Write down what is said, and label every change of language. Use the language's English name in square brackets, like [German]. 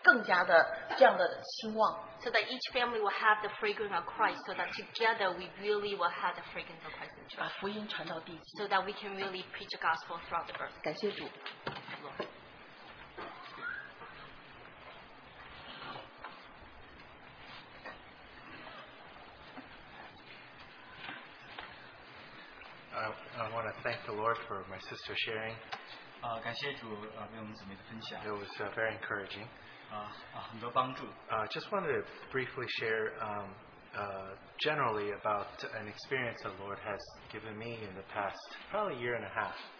[Chinese] 让我们一个家庭一个家庭这样的平和、这样的融合、有这样的基督的生命在里边的时候，我们的教会更加的这样的兴旺。 [English] So that each family will have the fragrance of Christ, so that together we really will have the fragrance of Christ. [Chinese] 把福音传到地区, [English] so that we can really preach the gospel throughout the earth. [Chinese] 感谢主。 [English] I want to thank the Lord for my sister sharing. [Chinese] 感谢主为我们姊妹的分享。 [English] It was very encouraging. [Chinese] 很多帮助。 [English] Just want to briefly share generally about an experience the Lord has given me in the past probably year and a half.